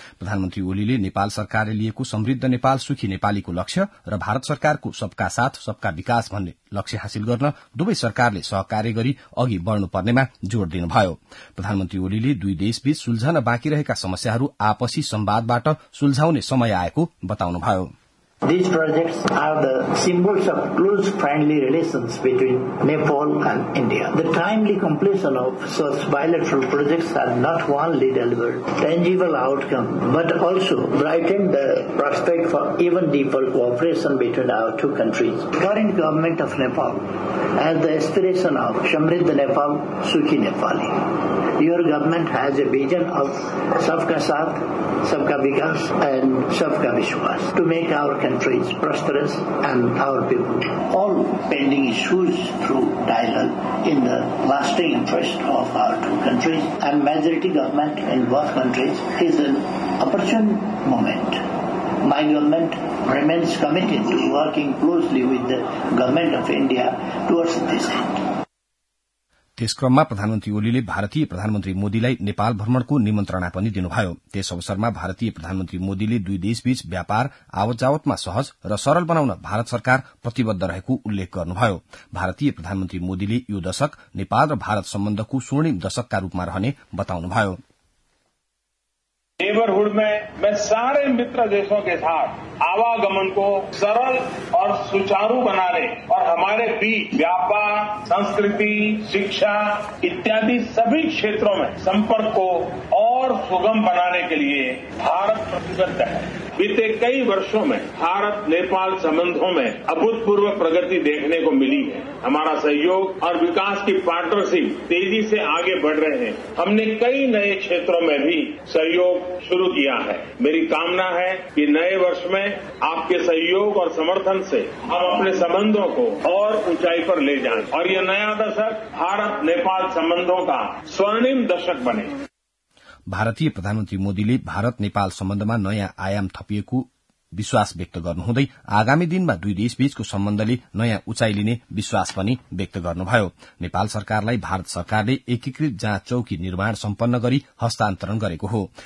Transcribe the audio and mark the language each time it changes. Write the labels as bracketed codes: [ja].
[ne] प्रधानमन्त्री ओलीले नेपाल सरकारले लिएको समृद्ध नेपाल सुखी नेपालीको लक्ष्य र भारत सरकारको सबका साथ सबका विकास भन्ने लक्ष्य हासिल गर्न दुवै सरकारले सहकार्य गरी अघि बढ़नुपर्नेमा जोड़ दिनुभयो। प्रधानमन्त्री ओलीले दुई देशबीच सुल्झन बाँकी रहेका समस्याहरू आपसी संवादबाट सुल्झाउने समय आएको बताउनुभयो। [en] These projects are the symbols of close friendly relations between Nepal and India. The timely completion of such bilateral projects has not only delivered tangible outcome but also brightened the prospect for even deeper cooperation between our two countries. The current government of Nepal has the aspiration of Samriddha Nepal, Sukhi Nepali. Your government has a vision of Sabka Saath, Sabka Vikas and Sabka Vishwas to make our countries prosperous and our people. All pending issues through dialogue in the lasting interest of our two countries and majority government in both countries is an opportune moment. My government remains committed to working closely with the government of India towards this end. [ne] त्यस क्रममा प्रधानमन्त्री ओलीले भारतीय प्रधानमन्त्री मोदीलाई नेपाल भ्रमणको निमन्त्रणा पनि दिनुभयो। त्यस अवसरमा भारतीय प्रधानमन्त्री मोदीले दुई देशबीच व्यापार आवतजावतमा सहज र सरल बनाउन भारत सरकार प्रतिबद्ध रहेको उल्लेख गर्नुभयो। भारतीय प्रधानमन्त्री मोदीले यो दशक नेपाल र भारत सम्बन्धको स्वर्णिम दशकका रूपमा रहने बताउनुभयो। [hi] नेबरहुडमा मैं सारे मित्र देशों के साथ आवागमन को सरल और सुचारू बनाने और हमारे बीच व्यापार संस्कृति शिक्षा इत्यादि सभी क्षेत्रों में संपर्क को और सुगम बनाने के लिए भारत प्रतिबद्ध है। बीते कई वर्षों में भारत नेपाल संबंधों में अभूतपूर्व प्रगति देखने को मिली है। हमारा सहयोग और विकास की पार्टनरशिप तेजी से आगे बढ़ रहे हैं। हमने कई नए क्षेत्रों में भी सहयोग शुरू किया है। मेरी कामना है कि नए वर्ष में आपके सहयोग और समर्थन से हम अपने संबंधों को और ऊंचाई पर ले जाएं और यह नया दशक भारत नेपाल संबंधों का स्वर्णिम दशक बने। [ne] भारतीय प्रधानमन्त्री मोदीले भारत नेपाल सम्बन्धमा नयाँ आयाम थपिएको विश्वास व्यक्त गर्नुहुँदै आगामी दिनमा दुई देशबीचको सम्बन्धले नयाँ उचाइ लिने विश्वास पनि व्यक्त गर्नुभयो। नेपाल सरकारलाई भारत सरकारले एकीकृत जाँच चौकी निर्माण सम्पन्न गरी हस्तान्तरण गरेको हो।